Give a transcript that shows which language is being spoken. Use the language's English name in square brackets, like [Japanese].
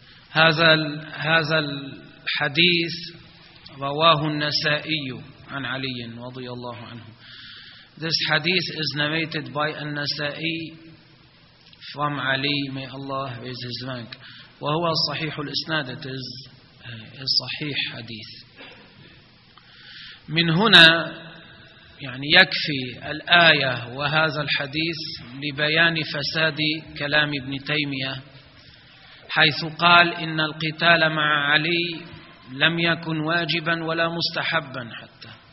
[Arabic] هذا الحديث رواه النسائي عن علي رضي الله عنه. [English] This hadith is narrated by النسائي from Ali, may Allah raise his rank. [Arabic] وهو الصحيح الإسناد, [English] it is a [Arabic] صحيح حديث. من هنا يعني يكفي الآية وهذا الحديث لبيان فساد كلام ابن تيمية, حيث قال إن القتال مع علي لم يكن واجبا ولا مستحبا حتى.